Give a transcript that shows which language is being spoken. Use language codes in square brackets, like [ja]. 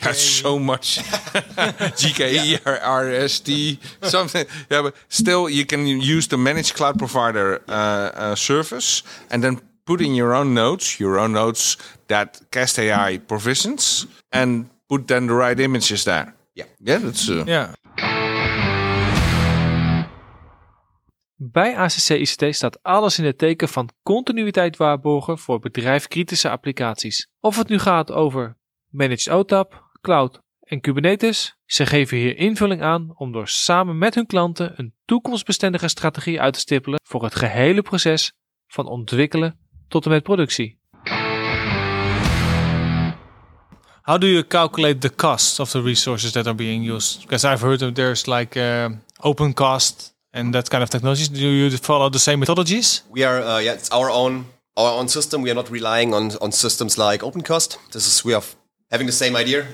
[en] That's so much. GKE, yeah. Or RST, something. Yeah, but still, you can use the managed cloud provider service and then put in your own nodes that Cast AI provisions and put then the right images there. Yeah. Yeah, that's. Yeah. [nl] Bij ACC ICT staat alles in het teken van continuïteit waarborgen voor bedrijfkritische applicaties. Of het nu gaat over Managed OTAP, Cloud en Kubernetes, ze geven hier invulling aan om door samen met hun klanten een toekomstbestendige strategie uit te stippelen voor het gehele proces van ontwikkelen tot en met productie. [en] How do you calculate the cost of the resources that are being used? Because I've heard that there's like open cost. And that kind of technologies, do you follow the same methodologies? We are, it's our own system. We are not relying on systems like OpenCost. We are having the same idea.